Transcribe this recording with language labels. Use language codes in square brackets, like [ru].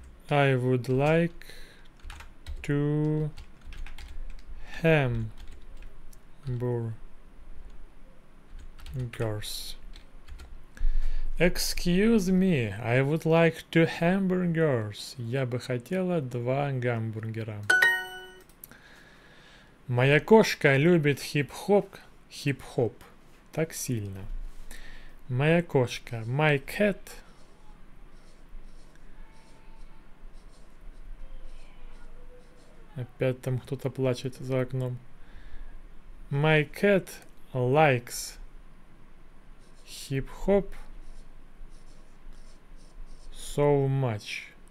[en] I would like 2 hamburgers. Excuse me, I would like 2 hamburgers. [ru] Я бы хотела 2 гамбургера. Моя кошка любит хип-хоп так сильно. Моя кошка, [en] my cat. [ru] Опять там кто-то плачет за окном. [en] My cat likes hip-hop so much.